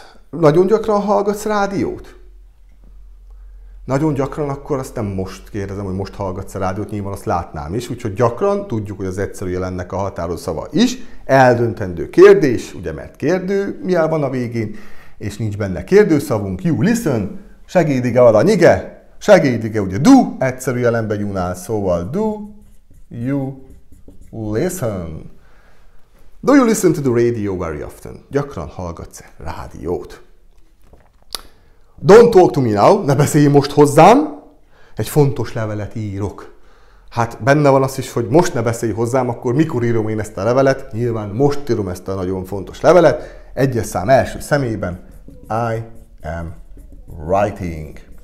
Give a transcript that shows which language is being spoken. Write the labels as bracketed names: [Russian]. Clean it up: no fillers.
[Hungarian] Nagyon gyakran hallgatsz rádiót? Nagyon gyakran, akkor azt nem most kérdezem, hogy most hallgatsz rádiót, nyilván azt látnám is, úgyhogy gyakran, tudjuk, hogy az egyszerű jelennek a határozó szava is, eldöntendő kérdés, ugye mert kérdő miáll van a végén, és nincs benne kérdőszavunk, you listen, segédige alany, ige? Segédige, ugye do, egyszerű jelenbe gyúnál, szóval do you listen? [English] Do you listen to the radio very often? [Hungarian] Gyakran hallgatsz rádiót? Don't talk to me now, ne beszélj most hozzám, egy fontos levelet írok. Hát benne van az is, hogy most ne beszélj hozzám, akkor mikor írom én ezt a levelet? Nyilván most írom ezt a nagyon fontos levelet. Egyes szám első személyben, I am writing.